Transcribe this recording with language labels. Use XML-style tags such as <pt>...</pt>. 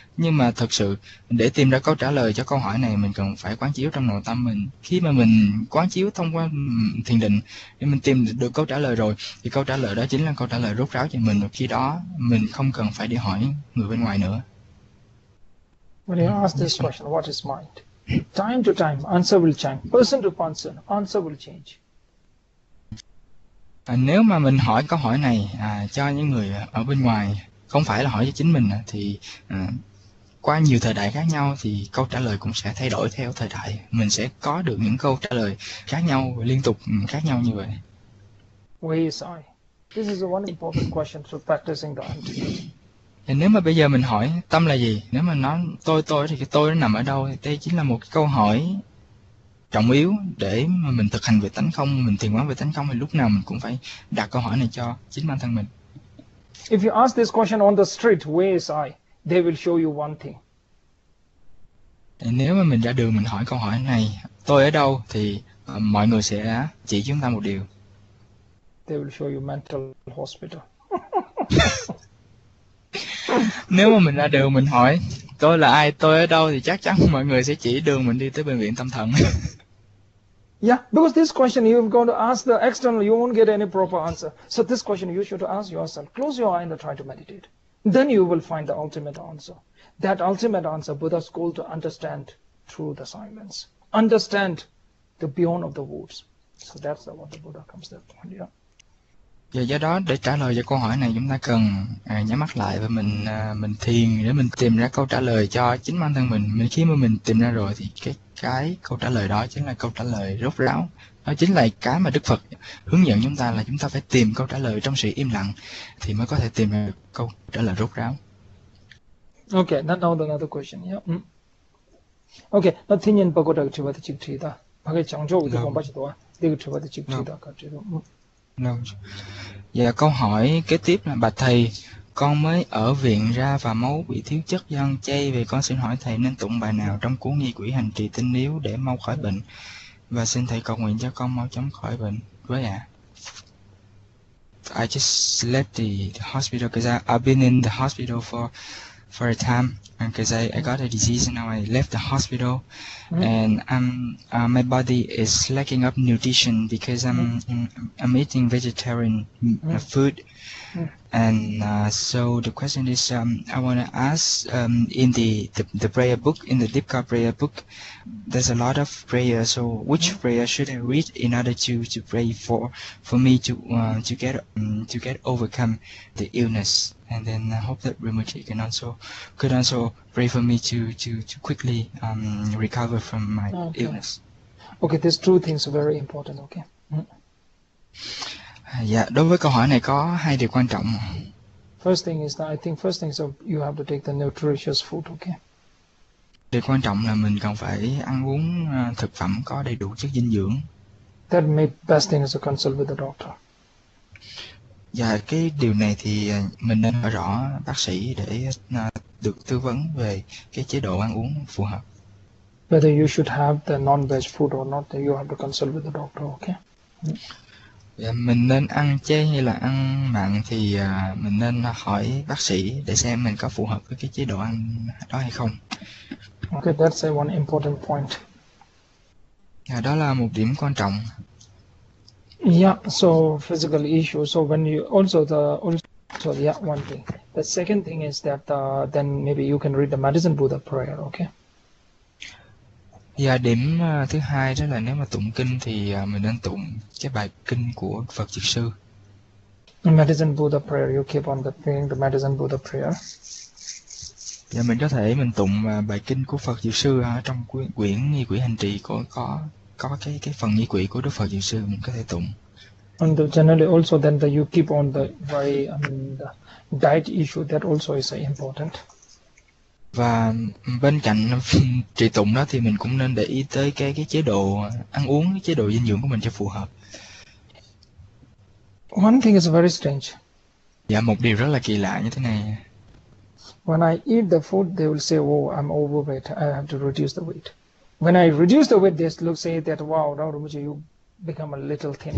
<vi>Nhưng mà thật sự, để tìm ra câu trả lời cho câu hỏi này, mình cần phải quán chiếu trong nội tâm mình. Khi mà mình quán chiếu thông qua thiền định, để mình tìm được câu trả lời rồi, thì câu trả lời đó chính là câu trả lời rốt ráo cho mình. Và khi đó, mình không cần phải đi hỏi người bên ngoài nữa.</vi> <en>When you ask this question, what is mind? Time to time, answer will change. Person to person, answer will change.</en> <vi>Nếu mà mình hỏi câu hỏi này cho những người ở bên ngoài, không phải là hỏi cho chính mình, thì... qua nhiều thời đại khác nhau thì câu trả lời cũng sẽ thay đổi theo thời đại. Mình sẽ có được những câu trả lời khác nhau, liên tục khác nhau như vậy.</vi> <en>Where is I? This is one important question for practicing the emptiness.</en> <vi>Nếu mà bây giờ mình hỏi tâm là gì, nếu mà nói tôi thì cái tôi nó nằm ở đâu, thì đây chính là một câu hỏi trọng yếu để mà mình thực hành về tánh không, mình thiền quán về tánh không, thì lúc nào mình cũng phải đặt câu hỏi này cho chính bản thân mình.</vi> <en>If you ask this question on the street, where is I? They will show you one thing.</en> <vi>Nếu mà mình ra đường mình hỏi câu hỏi này, tôi ở đâu, thì mọi người sẽ chỉ chúng ta một điều.</vi> <en>They will show you mental hospital.</en> <vi>Nếu mà mình ra đường mình hỏi tôi là ai, tôi ở đâu, thì chắc chắn mọi người sẽ chỉ đường mình đi tới bệnh viện tâm thần.</vi> <en>Yeah, because this question you're going to ask the external, you won't get any proper answer. So this question you should ask yourself. Close your eye and try to meditate. Then you will find the ultimate answer. That ultimate answer, Buddha's goal to understand through the silence. Understand the beyond of the words. So that's what the Buddha comes to the point, yeah.</en> <vi>Và do đó, để trả lời cho câu hỏi này, chúng ta cần nhắm mắt lại và mình thiền để mình tìm ra câu trả lời cho chính bản thân mình. Khi mà mình tìm ra rồi thì cái câu trả lời đó chính là câu trả lời rốt ráo. Đó chính là cái mà Đức Phật hướng dẫn chúng ta là chúng ta phải tìm câu trả lời trong sự im lặng thì mới có thể tìm ra được câu trả lời rốt ráo.</vi> <en>Okay, now another question. Yeah. Okay, now thiên nhiên bao gồm chư vật chư thi đa, bao gồm chẳng chỗ của công bá chư đó, đều chư vật chư thi đa cả chư đó. No.</en> <vi>Và câu hỏi kế tiếp là bạch thầy, con mới ở viện ra và máu bị thiếu chất giăng chay, vì con xin hỏi thầy nên tụng bài nào trong cuốn nghi quỹ hành trì tinh yếu để mau khỏi bệnh. và xin thầy cầu nguyện cho con mau chóng khỏi bệnh với ạ.</vi> <en>I just left the hospital because I've been in the hospital for a time, and because I got a disease and now I left the hospital, and my body is lacking up nutrition because I'm eating vegetarian food, and so the question is I want to ask in the prayer book, in the Dipka prayer book, there's a lot of prayer, so which prayer should I read in order to pray for me to get overcome the illness? And then I hope that Rinpoche could also pray for me to quickly recover from my okay. illness. Okay, these two things are very important. Okay.</en> <vi>Yeah, đối với câu hỏi này có hai điều quan trọng.</vi> <en>First thing is that I think first thing is that you have to take the nutritious food. Okay.</en> <vi>Điều quan trọng là mình cần phải ăn uống thực phẩm có đầy đủ chất dinh dưỡng.</vi> <en>That may best thing is to consult with the doctor.</en> <vi>Và cái điều này thì mình nên hỏi rõ bác sĩ để được tư vấn về cái chế độ ăn uống phù hợp.</vi> <en>Whether you should have the non-veg food or not, you have to consult with the doctor, okay?</en> <vi>Và mình nên ăn chay hay là ăn mặn thì mình nên hỏi bác sĩ để xem mình có phù hợp với cái chế độ ăn đó hay không.</vi> <en>Okay, that's one important point.</en> <vi>Và đó là một điểm quan trọng.</vi> <en>Yeah, so physical issue. So when you also yeah, one thing. The second thing is that then maybe you can read the Medicine Buddha prayer, okay?</en> <vi>Yeah, điểm thứ hai đó là nếu mà tụng kinh thì mình nên tụng cái bài kinh của Phật Dịch Sư.</vi> <en>Medicine Buddha prayer, you keep on praying the Medicine Buddha prayer.</en> <vi>Yeah, mình có thể mình tụng bài kinh của Phật Dịch Sư trong quyển Nghi Quỹ Hành Trì có cái phần nghi quỹ của Đức Phật Dược Sư mình có thể tụng.</vi> <en>And the generally also then the you keep on the very the diet issue that also is important.</en> <vi>Và bên cạnh trì tụng đó thì mình cũng nên để ý tới cái chế độ ăn uống, chế độ dinh dưỡng của mình cho phù hợp.</vi> <en>One thing is very strange.</en> <vi>Dạ, một điều rất là kỳ lạ như thế này.</vi> <en>When I eat the food, they will say, oh, I'm overweight. I have to reduce the weight. When I reduce the weight, they look say that wow, now Rinpoche, you become a little thin.</en>